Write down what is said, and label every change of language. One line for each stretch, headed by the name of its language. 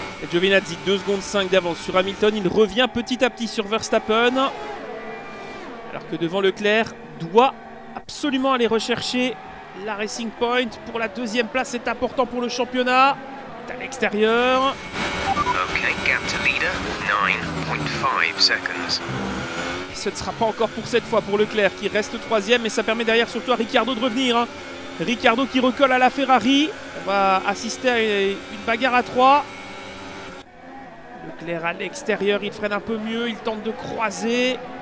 French: Giovinazzi, 2 secondes 5 d'avance sur Hamilton. Il revient petit à petit sur Verstappen. Alors que devant Leclerc, doit absolument aller rechercher la Racing Point. Pour la deuxième place, c'est important pour le championnat. C'est à l'extérieur.
English: Ok, gap to leader, 9.5 seconds.
French: Et ce ne sera pas encore pour cette fois pour Leclerc qui reste troisième. Mais ça permet derrière surtout à Ricciardo de revenir. Hein. Ricciardo qui recolle à la Ferrari. On va assister à une bagarre à 3. Leclerc à l'extérieur, il freine un peu mieux, il tente de croiser.